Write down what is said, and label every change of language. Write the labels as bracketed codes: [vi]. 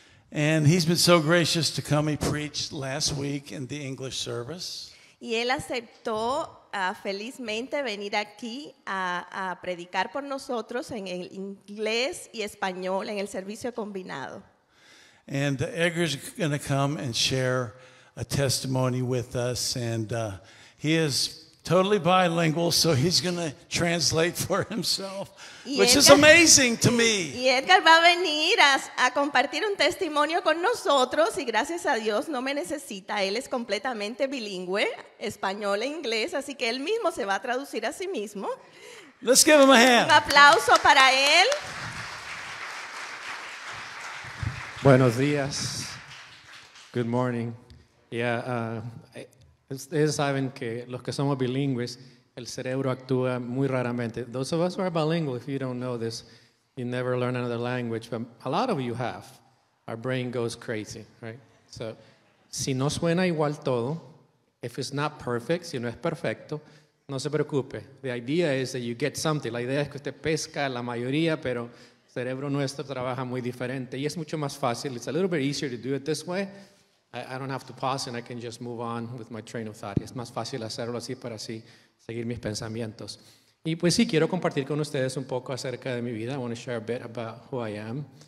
[en] And he's been so gracious to come. He preached last week in the English service. [es] Y él aceptó felizmente venir aquí a predicar por nosotros en el inglés y español en el servicio combinado. [en] And Edgar's going to come and share a testimony with us, and he is totally bilingual, so he's going to translate for himself, which is amazing to me. [es] Y Edgar va a venir a compartir un testimonio con nosotros, y gracias a Dios no me necesita. Él es completamente bilingüe, español e inglés, así que él mismo se va a traducir a sí mismo. [en] Let's give him a hand. [es] Un aplauso para él. Buenos días. [en] Good morning. [es] Yeah, ustedes saben que los que somos bilingües, el cerebro actúa muy raramente. [en] Those of us who are bilingual, if you don't know this, you never learn another language, but a lot of you have. Our brain goes crazy, right? So, [es] si no suena igual todo, [en] if it's not perfect, [es] si no es perfecto, no se preocupe. [en] The idea is that you get something. [es] La idea es que usted pesca la mayoría, pero el cerebro nuestro trabaja muy diferente. Y es mucho más fácil. [en] It's a little bit easier to do it this way. I don't have to pause and I can just move on with my train of thought. [es] Es más fácil hacerlo así para así seguir mis pensamientos. Y pues sí, quiero compartir con ustedes un poco acerca de mi vida. [en] I want to share a bit about who I am.